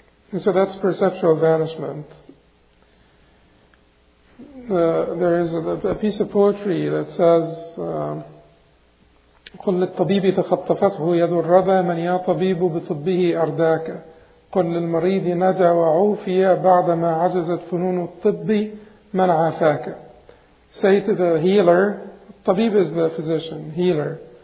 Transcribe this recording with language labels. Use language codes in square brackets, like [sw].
[en] And so that's perceptual vanishment. There is a piece of poetry that says, [ar] قل للطبيب تخطفته يد الردى من يا طبيب بطبه أرداك قل للمريض نجا وعوفيا بعدما عجزت فنون الطب من عافاك. [en] Say to the healer, Tabib is the physician, healer.